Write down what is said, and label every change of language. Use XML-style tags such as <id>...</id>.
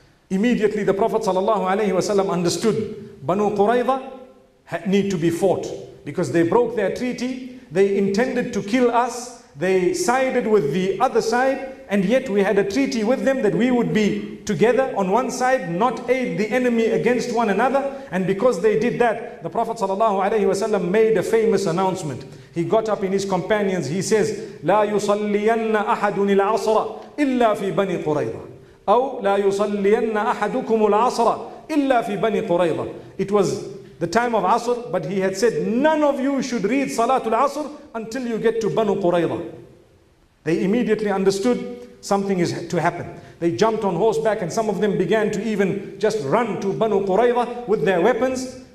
<en>Immediately the Prophet sallallahu alaihi wasallam understood Banu Qurayza need to be fought because they broke their treaty, they intended to kill us, they sided with the other side. And yet we had a treaty with them that we would be together on one side, not aid the enemy against one another. And because they did that, the Prophet sallallahu alaihi wasallam made a famous announcement. He got up in his companions.</en> <ar>He says, لا يصلين أحد العصر إلا في بني قريظة. أو لا يصلين أحدكم العصر إلا في بني قريظة.</ar> <en>It was the time of Asr, but he had said, none of you should read Salatul Asr until you get to Banu Qurayza. They immediately understood something is to happen. They jumped on horseback and some of them began to even just run to Banu Qurayza with their weapons.</en>